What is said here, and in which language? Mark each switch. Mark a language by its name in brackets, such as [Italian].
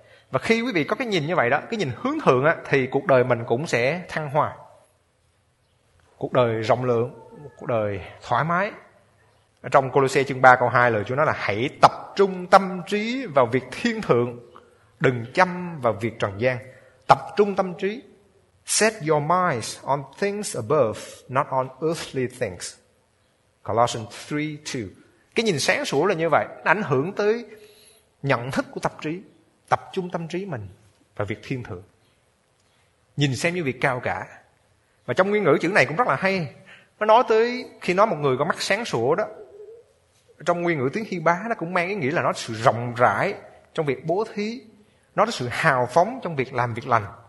[Vietnamese] Và khi quý vị có cái nhìn như vậy đó, cái nhìn hướng thượng á, thì cuộc đời mình cũng sẽ thăng hoa. Cuộc đời rộng lượng, cuộc đời thoải mái. Ở trong Colossae chương 3 câu 2, lời Chúa nói là hãy tập trung tâm trí vào việc thiên thượng, đừng chăm vào việc trần gian. Tập trung tâm trí. [English] Set your minds on things above, not on earthly things. Colossians 3:2. [Vietnamese] Cái nhìn sáng sủa là như vậy, nó ảnh hưởng tới nhận thức của tâm trí. Tập trung tâm trí mình vào việc thiên thượng, nhìn xem như việc cao cả. Và trong nguyên ngữ chữ này cũng rất là hay, nó nói tới khi nói một người có mắt sáng sủa đó, trong nguyên ngữ tiếng Hy Bá nó cũng mang ý nghĩa là nó sự rộng rãi trong việc bố thí, nó sự hào phóng trong việc làm việc lành.